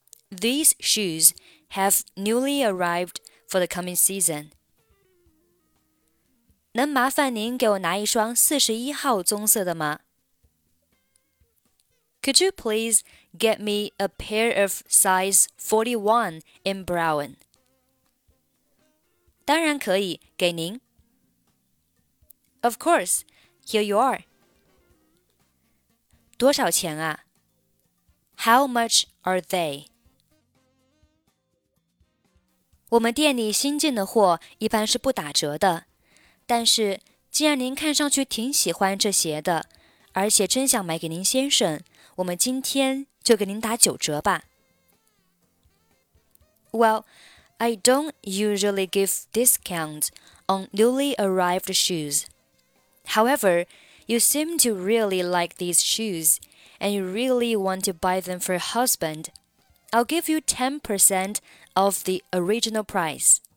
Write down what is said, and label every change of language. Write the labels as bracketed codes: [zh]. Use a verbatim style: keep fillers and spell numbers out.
[en] These shoes have newly arrived for the coming season. [zh] 能麻烦您给我拿一双四十一号棕色的吗？ [en] Could you please get me a pair of size forty-one in brown? [zh] 当然可以，给您。 [en] Of course, here you are. [zh] 多少钱啊 [en] ？How much are they? [zh] 我们店里新进的货一般是不打折的，但是既然您看上去挺喜欢这鞋的，而且真想买给您先生，我们今天就给您打九折吧。 [en] Well, I don't usually give discounts on newly arrived shoes. However,You seem to really like these shoes, and you really want to buy them for your husband. I'll give you ten percent of the original price.